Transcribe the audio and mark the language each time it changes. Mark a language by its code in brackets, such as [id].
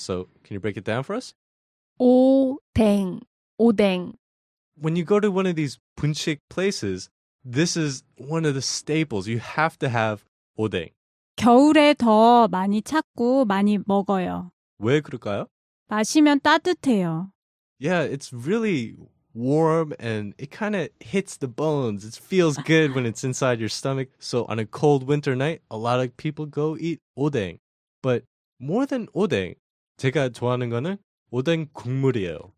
[en] So can you break it down for us? [ko] 오뎅, 오뎅. [en] When you go to one of these 분식 places, this is one of the staples. You have to have 오뎅. [ko] 겨울에 더 많이 찾고 많이 먹어요. 왜 그럴까요? 마시면 따뜻해요. [en] Yeah, it's really warm and it kind of hits the bones. It feels good when it's inside your stomach. So on a cold winter night, a lot of people go eat 오뎅. But more than [ko] 오뎅, 제가 좋아하는 거는 오뎅 국물이에요.